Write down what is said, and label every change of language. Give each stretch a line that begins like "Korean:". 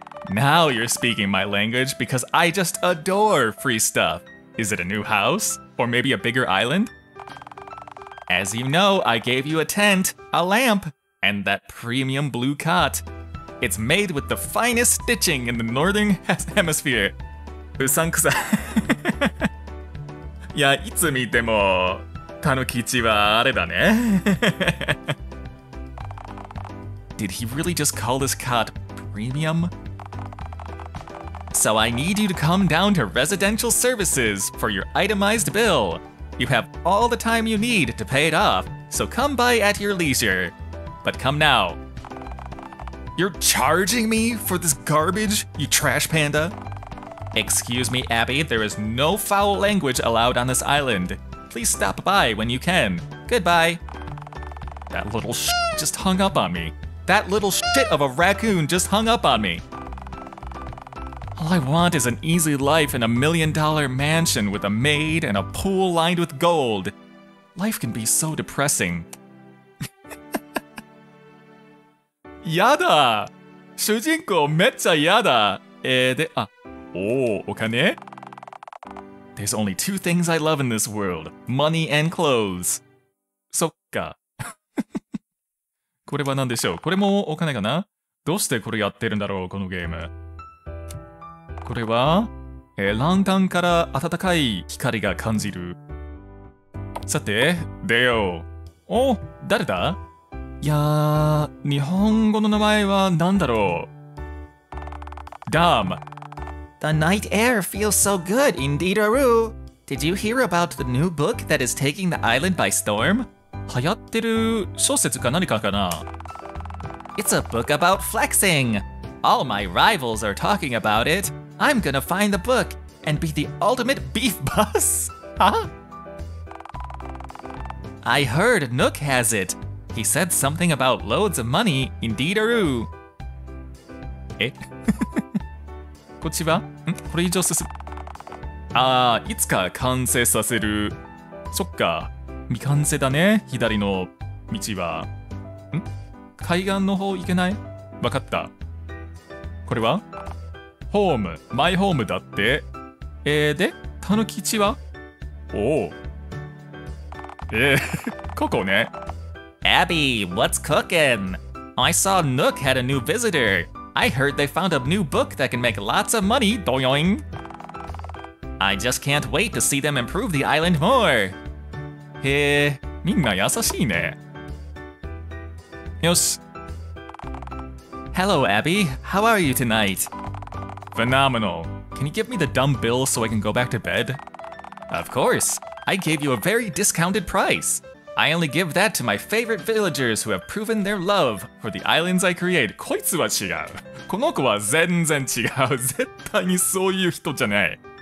English: Now you're speaking my language because I just adore free stuff. Is it a new house? Or maybe a bigger island? As you know, I gave you a tent, a lamp, and that premium blue cot. It's made with the finest stitching in the northern hemisphere.
Japanese: うさんくさい。いや、いつ見ても、たぬきちはあれだね。
English: Did he really just call this cot premium? So I need you to come down to residential services for your itemized bill. You have all the time you need to pay it off, so come by at your leisure. But come now. You're charging me for this garbage, you trash panda? Excuse me, Abby, there is no foul language allowed on this island. Please stop by when you can. Goodbye. That little shit just hung up on me. That little shit of a raccoon just hung up on me. All I want is an easy life in a million-dollar mansion with a maid and a pool lined with gold. Life can be so depressing.
Japanese: やだ!主人公めっちゃやだ!
English: Oh, okay. There's only two things I love in this world, money and clothes.
Japanese: そっか。これは何でしょう? これもお金かな? どうしてこれやってるんだろう、このゲーム。これは、ランタンから暖かい光が感じる。さて、出よう。お、誰だ?いやー、日本語の名前は何だろう? ダーム。
English: The night air feels so good, Indeedaru! Did you hear about the new book that is taking the island by storm?
Japanese: 流行ってる小説か何かかな?
English: It's a book about flexing! All my rivals are talking about it! I'm gonna find the book and be the ultimate beef boss! I heard Nook has it! He said something about loads of money, Indeedaru!
Japanese: え? こっちは? ん? これ以上進む。ああ、いつか完成させる。そっか、未完成だね、左の道は。ん？海岸の方行けない？わかった。これは？ホーム、マイホームだって。で、たぬき家は？おお。ここね。
English: Abby, what's cooking? I saw Nook had a new visitor. I heard they found a new book that can make lots of money, doyoing. I just can't wait to see them improve the island more.
Japanese: へえ、みんな優しいね。よし。
English: Hello, Abby. How are you tonight? Phenomenal. Can you give me the dumb bill so I can go back to bed? Of course. I gave you a very discounted price. I only give that to my favorite villagers who have proven their love for the islands I create.
Japanese: こいつは違う。この子は全然違う。絶対にそういう人じゃない。